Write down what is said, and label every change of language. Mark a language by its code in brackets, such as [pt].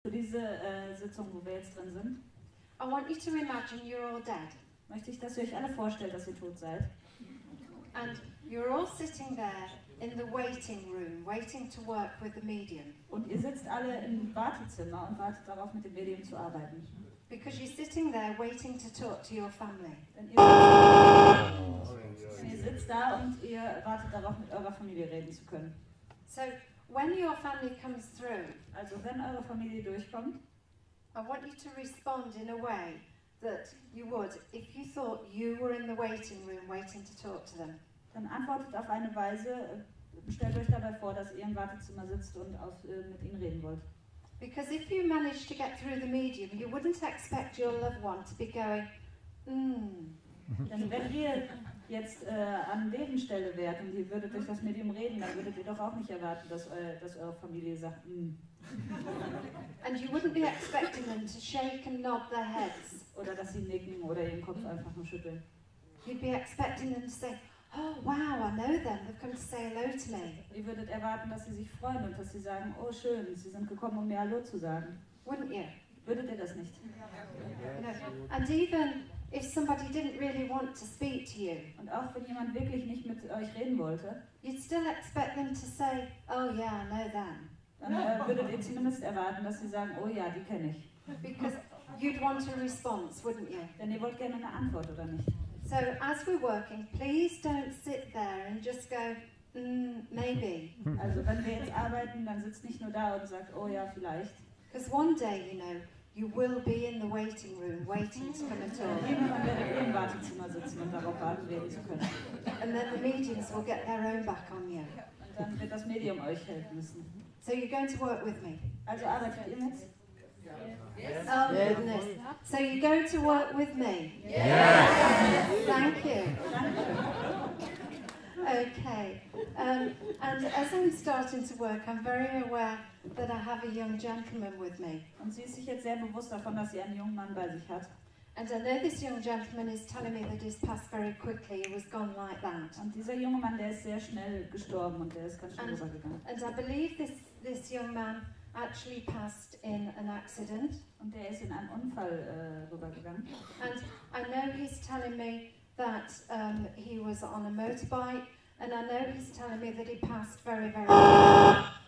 [de] Für diese Sitzung, wo wir jetzt drin sind, [en] I want you to imagine you're all dead. [de] Möchte ich, dass ihr euch alle vorstellt, dass ihr tot seid. [en] And you're all sitting there in the waiting room, waiting to work with the medium. [de] Und ihr sitzt alle im Wartezimmer und wartet darauf, mit dem Medium zu arbeiten. [en] Because you're sitting there waiting to talk to your family. [de] Und ihr sitzt da und ihr wartet darauf, mit eurer Familie reden zu können. [en] So, when your family comes through, [de] also wenn eure Familie durchkommt, [en] I want you to respond in a way that you would if you thought you were in the waiting room waiting to talk to them. [de] Dann antwortet auf eine Weise, stellt euch dabei vor, dass ihr im Wartezimmer sitzt und auf, mit ihnen reden wollt. [en] Because if you managed to get through the medium, you wouldn't expect your loved one to be going, [de] Denn wenn ihr jetzt an deren Stelle wärt und ihr würdet durch das Medium reden, dann würdet ihr doch auch nicht erwarten, dass, dass eure Familie sagt, [en] And you wouldn't be expecting them to shake and nod their heads. [de] Oder dass sie nicken oder ihren Kopf einfach nur schütteln. [en] You'd be expecting them to say, oh wow, I know them, they've come to say hello to me. [de] Ihr würdet erwarten, dass sie sich freuen und dass sie sagen, oh schön, sie sind gekommen, um mir Hallo zu sagen. [en] Wouldn't you? [de] Würdet ihr das nicht? [en] Yes, and even if somebody didn't really want to speak to you, [de] und auch wenn jemand wirklich nicht mit euch reden wollte, [en] you'd still expect them to say, oh yeah, I know them. [de] Dann würdet ihr zumindest erwarten, dass sie sagen, oh ja, die kenne ich. [en] Because you'd want a response, wouldn't you? [de] Denn ihr wollt gerne eine Antwort, oder nicht? [en] So, as we're working, please don't sit there and just go, maybe. [de] Also, wenn wir jetzt arbeiten, dann sitzt nicht nur da und sagt, oh ja, vielleicht. [en] Because one day, you know, you will be in the waiting room, waiting to come and talk. [de] Irgendwann werdet ihr im Wartezimmer sitzen und darauf warten, reden zu können. [en] And then the mediums will get their own back on you. [de] Und dann wird das Medium euch helfen müssen. [en] So you're going to work with me. [de] Also arbeitet ihr mit? [en] Yes. Oh goodness. So you're going to work with me? Yes. Thank you. Okay. And as I'm starting to work, I'm very aware that I have a young gentleman with me. [de] Und sie ist sich jetzt sehr bewusst davon, dass sie einen jungen Mann bei sich hat. [en] And I know this young gentleman is telling me that he's passed very quickly. He was gone like that. [de] Und dieser junge Mann, der ist sehr schnell gestorben und der ist ganz schnell rübergegangen. [en] And I believe this young man actually passed in an accident. [de] Und der ist in einem Unfall rübergegangen. [en] And I know he's telling me that he was on a motorbike. And I know he's telling me that he passed very, very quickly.